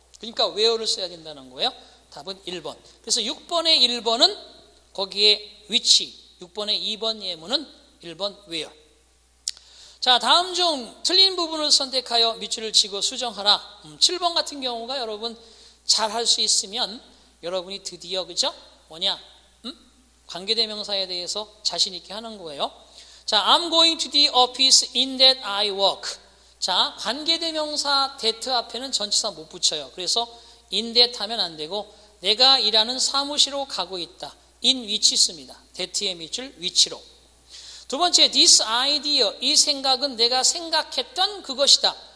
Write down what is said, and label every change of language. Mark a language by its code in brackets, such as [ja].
[ko] 그러니까 where를 써야 된다는 거예요. 답은 1번. 그래서 6번의 1번은 거기에 위치, 6번의 2번 예문은 1번 where. 자, 다음 중 틀린 부분을 선택하여 밑줄을 치고 수정하라. 7번 같은 경우가 여러분 잘할 수 있으면 여러분이 드디어 그죠? 뭐냐? 관계대명사에 대해서 자신 있게 하는 거예요. [en] 자, I'm going to the office in that I work. [ko] 자, 관계대명사 that 앞에는 전치사 못 붙여요. 그래서 in that 하면 안 되고 내가 일하는 사무실로 가고 있다. in which 씁니다. that의 밑줄 위치로. 두 번째, this idea, 이 생각은 내가 생각했던 그것이다.